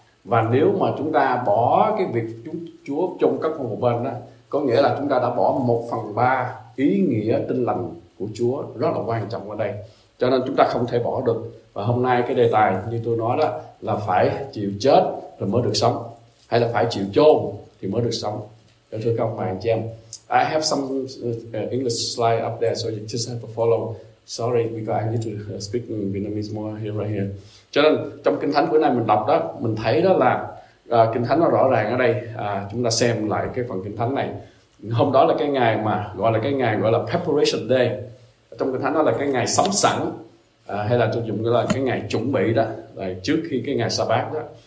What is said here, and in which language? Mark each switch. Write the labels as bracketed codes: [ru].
[vi] Và nếu mà chúng ta bỏ cái việc Chúa chôn cất một bên đó, có nghĩa là chúng ta đã bỏ 1/3 ý nghĩa Tin Lành của Chúa rất là quan trọng ở đây. Cho nên chúng ta không thể bỏ được. Và hôm nay cái đề tài như tôi nói đó là phải chịu chết rồi mới được sống, hay là phải chịu chôn thì mới được sống. Thưa các bạn chị em, [en] I have some English slide up there, so you just have to follow. Sorry, because I need to speak in Vietnamese more here right here. [vi] Cho nên trong Kinh Thánh bữa nay mình đọc đó, mình thấy đó là Kinh Thánh nó rõ ràng ở đây. Chúng ta xem lại cái phần Kinh Thánh này. Hôm đó là cái ngày mà gọi là cái ngày gọi là Preparation Day. Trong Kinh Thánh nó là cái ngày sắm sẵn, hay là tôi dùng là cái ngày chuẩn bị đó, là trước khi cái ngày Sa-bát đó.